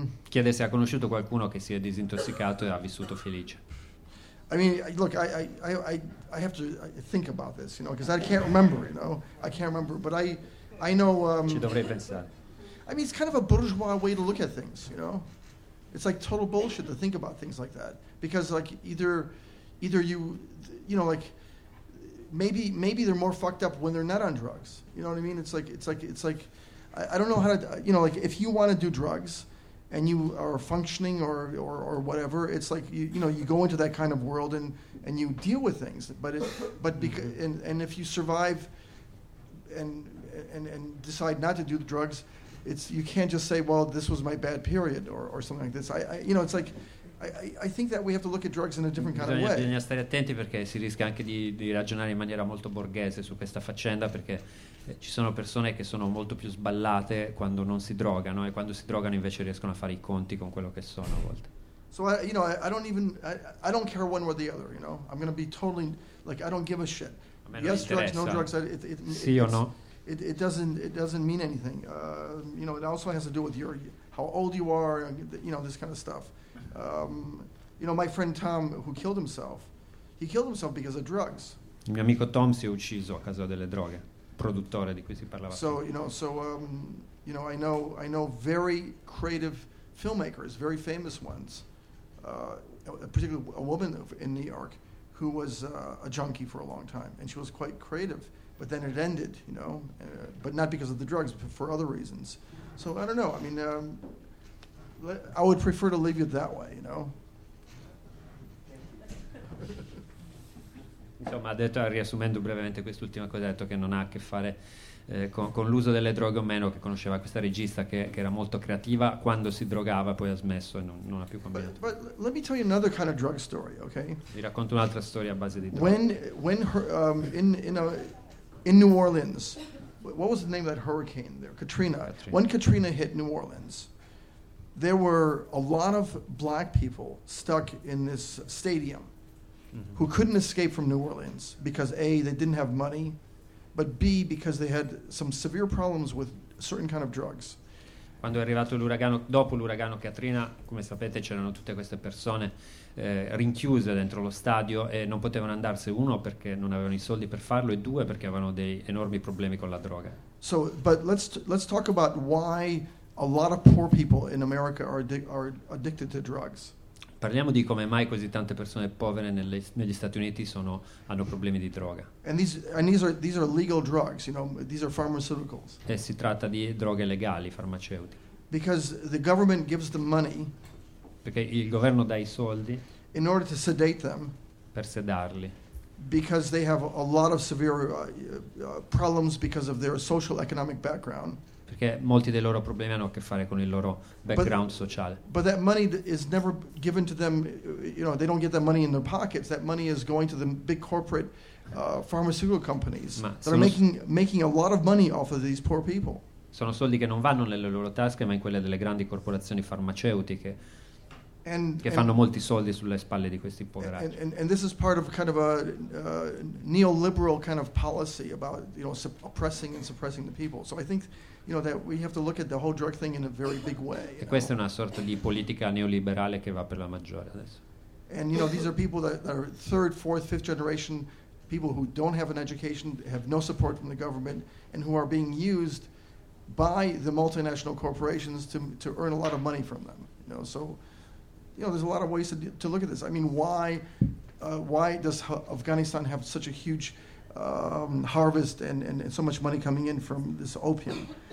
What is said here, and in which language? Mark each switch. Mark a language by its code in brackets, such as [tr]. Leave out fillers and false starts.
[it] Chiede se ha conosciuto qualcuno che si è disintossicato e ha vissuto felice. [en] I mean, look, I have to think about this, you know, because I can't remember, you know. I can't remember, but I know... [it] Ci dovrei pensare. [en] I mean, it's kind of a bourgeois way to look at things, you know. It's like total bullshit to think about things like that. Because, like, either you know, like, maybe they're more fucked up when they're not on drugs. You know what I mean? It's like I don't know how to, you know, like, if you want to do drugs and you are functioning or whatever, it's like you know, you go into that kind of world and you deal with things, but if you survive and decide not to do the drugs, it's, you can't just say, well, this was my bad period or something like this. I you know, it's like I think that we have to look at drugs in a different kind of way. [it] Bisogna stare attenti perché si rischia anche di ragionare in maniera molto borghese su questa faccenda, perché ci sono persone che sono molto più sballate quando non si drogano, e quando si drogano invece riescono a fare I conti con quello che sono a volte. [en] So I don't care one way or the other, you know. I'm going to be totally like, I don't give a shit. Yes, drugs, no drugs. [it] Sì o no? [en] It doesn't mean anything. You know, it also has to do with your how old you are, you know, this kind of stuff. You know, my friend Tom, who killed himself, he killed himself because of drugs. [it] Il mio amico Tom si è ucciso a causa delle droghe. Produttore di cui si parlava. [en] So you know, you know, I know very creative filmmakers, very famous ones, particularly a woman in New York who was a junkie for a long time, and she was quite creative, but then it ended, you know, but not because of the drugs, but for other reasons. So I don't know. I mean, I would prefer to leave it that way, you know. [it] insomma, ha detto, riassumendo brevemente quest'ultima cosa, ha detto che non ha a che fare con l'uso delle droghe o meno, che conosceva questa regista che era molto creativa quando si drogava, poi ha smesso e non ha più combinato. [en] But let me tell you another kind of drug story, okay? [it] Vi racconto un'altra storia a base di droga. [en] When her, in New Orleans, what was the name of that hurricane there? Katrina. When Katrina hit New Orleans, there were a lot of black people stuck in this stadium, mm-hmm. who couldn't escape from New Orleans because A, they didn't have money, but B, because they had some severe problems with certain kind of drugs. [it] Quando è arrivato l'uragano, dopo l'uragano Katrina, come sapete, c'erano tutte queste persone rinchiuse dentro lo stadio e non potevano andarsene, uno perché non avevano i soldi per farlo e due perché avevano dei enormi problemi con la droga. [en] So, but let's talk about why a lot of poor people in America are addicted to drugs. [it] Parliamo di come mai così tante persone povere negli Stati Uniti hanno problemi di droga. [en] And these are legal drugs, you know, these are pharmaceuticals. [it] E si tratta di droghe legali, farmaceutiche. [en] Because the government gives them money. [it] Perché il governo dà i soldi. [en] In order to sedate them. [it] Per sedarli. [en] Because they have a lot of severe problems because of their social economic background. [it] Perché molti dei loro problemi hanno a che fare con il loro background sociale. [en] But that money is never given to them, you know, they don't get that money in their pockets. That money is going to the big corporate pharmaceutical companies that are making a lot of money off of these poor people. [it] Sono soldi che non vanno nelle loro tasche, ma in quelle delle grandi corporazioni farmaceutiche che fanno molti soldi sulle spalle di questi poveracci. [en] And this is part of kind of a neoliberal kind of policy about, you know, oppressing and suppressing the people. So I think, you know, that we have to look at the whole drug thing in a very big way. [it] E questa è una sorta di politica neoliberale che va per la maggiore adesso. [en] And you know, these are people that are third, fourth, fifth generation people who don't have an education, have no support from the government, and who are being used by the multinational corporations to earn a lot of money from them. You know, so you know, there's a lot of ways to look at this. I mean, why does Afghanistan have such a huge harvest and so much money coming in from this opium?